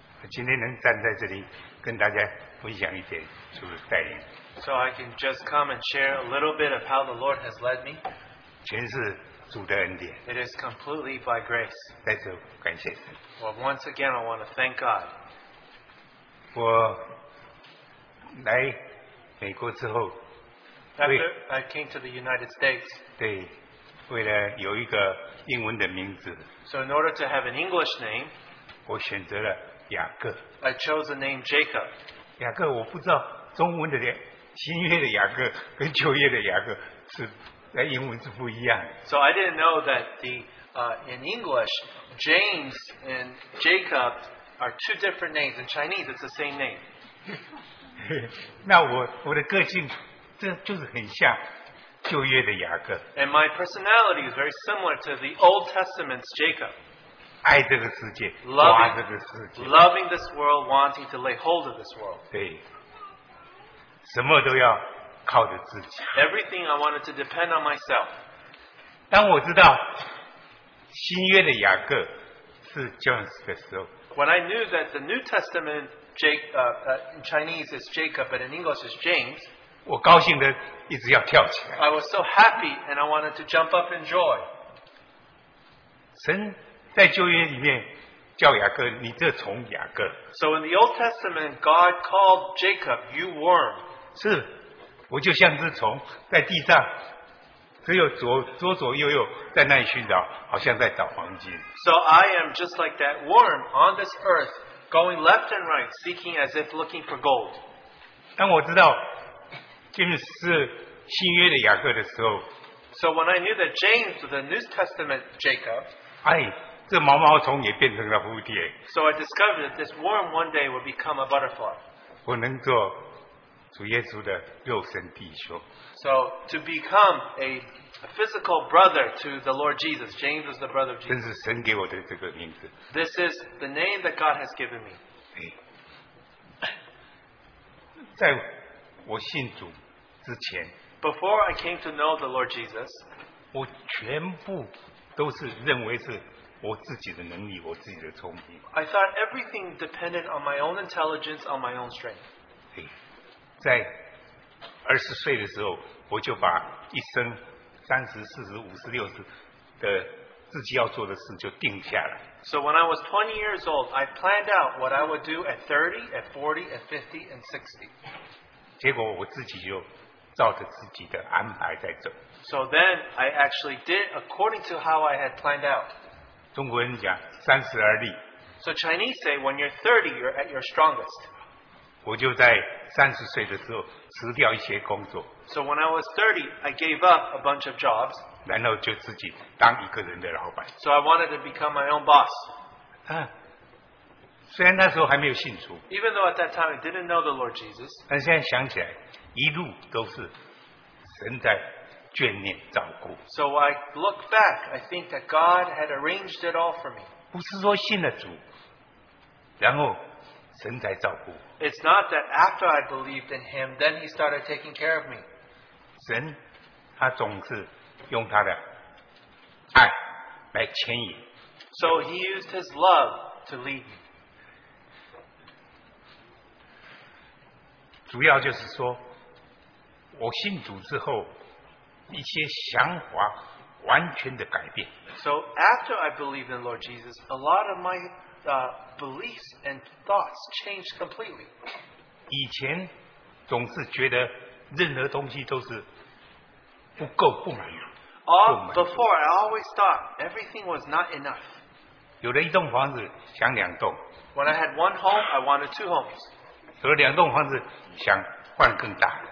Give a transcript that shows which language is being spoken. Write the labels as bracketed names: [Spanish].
[Chinese] 今天能站在这里跟大家分享一点主的带领。 [English] So I can just come and share a little bit of how the Lord has led me. [Chinese] 全是主的恩典。 [English] It is completely by grace. [Chinese] 再次感谢神。 [English] Well, once again, I want to thank God. [Chinese] 我来美国之后 [English] ，After I came to the United States. [Chinese] 对。为了有一个英文的名字 [English] ，So in order to have an English name， [Chinese] 我选择了雅各。 [English] I chose the name Jacob。 [Chinese] 雅各，我不知道中文的新约的雅各跟旧约的雅各是在英文是不一样的。 [English] So I didn't know that the in English James and Jacob are two different names. In Chinese, it's the same name. [Chinese] 那我的个性，这就是很像。旧约的雅各 [English] and my personality is very similar to the Old Testament's Jacob. [Chinese] 爱这个世界 [English] loving this world, wanting to lay hold of this world. [Chinese] 对，什么都要靠着自己 [English] Everything I wanted to depend on myself. [Chinese] 当我知道新约的雅各是 Jones 的时候 [English] when I knew that the New Testament in Chinese is Jacob, but in English is James. [Chinese] 我高兴的。一直要跳起来。 [English] I was so happy and I wanted to jump up in joy. [Chinese] 神在旧约里面叫雅各，你这虫雅各。 [English] So in the Old Testament, God called Jacob, you worm. [Chinese] 是，我就像只虫在地上，只有左右右在那里寻找，好像在找黄金。 [English] So I am just like that worm on this earth, going left and right, seeking as if looking for gold. [Chinese] 但我知道。James 是新约的雅各的时候 [English] ，So when I knew that James was the New Testament Jacob， [Chinese] 哎，这毛毛虫也变成了蝴蝶。 [English] So I discovered that this worm one day would become a butterfly。 [Chinese] 我能做主耶稣的肉身弟兄。 [English] So to become a physical brother to the Lord Jesus， James was the brother of Jesus。 [Chinese] 这是神给我的这个名字。 [English] This is the name that God has given me。 [Chinese] 在。我信主之前 [English] Before I came to know the Lord Jesus, [Chinese] 我全部都是认为是我自己的能力，我自己的聪明。 [English] I thought everything depended on my own intelligence, on my own strength. [Chinese] 在20岁的时候，我就把一生30、40、50、60的自己要做的事就定下来。 [English] So when I was 20 years old, I planned out what I would do at 30, at 40, at 50, and 60. [Chinese] 结果我自己就照着自己的安排在走。 [English] So then I actually did according to how I had planned out. [Chinese] 中国人讲三十而立。 [English] So Chinese say when you're 30, you're at your strongest. [Chinese] 我就在30岁的时候辞掉一些工作。 [English] So when I was 30, I gave up a bunch of jobs. [Chinese] 然后就自己当一个人的老板。 [English] So I wanted to become my own boss. [Chinese] 虽然那时候还没有信主 [English] ，Even though at that time I didn't know the Lord Jesus， [Chinese] 但现在想起来，一路都是神在眷念照顾。 [English] So I look back, I think that God had arranged it all for me. [Chinese] 不是说信了主，然后神才照顾。 [English] It's not that after I believed in Him, then He started taking care of me. [Chinese] 神，他总是用他的爱来牵引。 [English] So He used His love to lead me. [Chinese] 主要就是说，我信主之后，一些想法完全的改变。 [English] So after I believed in Lord Jesus, a lot of my beliefs and thoughts changed completely. [Chinese] 以前总是觉得任何东西都是不够不满足。 [English] Before I always thought everything was not enough. [Chinese] 有了一栋房子，想两栋。 [English] When I had one home, I wanted two homes. [Chinese] 有了两栋房子，想换更大。